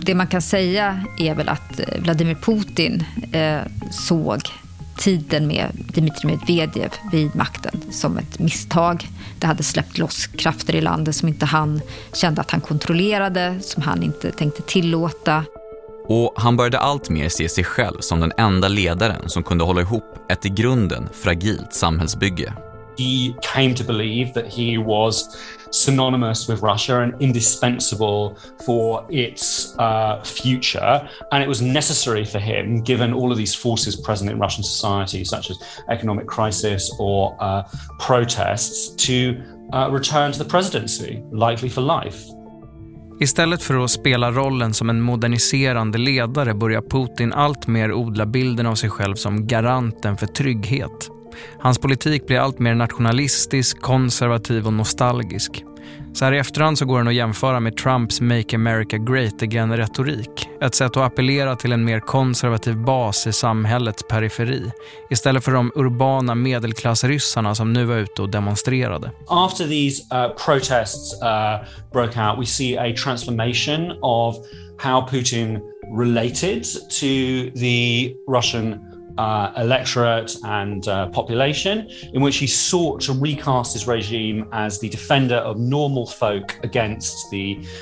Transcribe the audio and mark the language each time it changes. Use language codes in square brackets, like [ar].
[sv] Det man kan säga är väl att Vladimir Putin såg tiden med Dmitrij Medvedev vid makten som ett misstag. det hade släppt loss krafter i landet som inte han kände att han kontrollerade, som han inte tänkte tillåta. Och han började allt mer se sig själv som den enda ledaren som kunde hålla ihop ett i grunden fragilt samhällsbygge. [en] He came to believe that he was synonymous with Russia and indispensable for its future, and it was necessary for him, given all of these forces present in Russian society, such as economic crisis or protests, to return to the presidency, likely for life. [sv] Istället för att spela rollen som en moderniserande ledare börjar Putin allt mer odla bilden av sig själv som garanten för trygghet. Hans politik blir allt mer nationalistisk, konservativ och nostalgisk. Så här i efterhand så går den att jämföra med Trumps Make America Great Again-retorik. Ett sätt att appellera till en mer konservativ bas i samhällets periferi. Istället för de urbana medelklassryssarna som nu var ute och demonstrerade. [en] After these protests broke out, we see a transformation of how Putin related to the Russian electorate and population, in which he sought to recast his regime as the defender of normal folk against the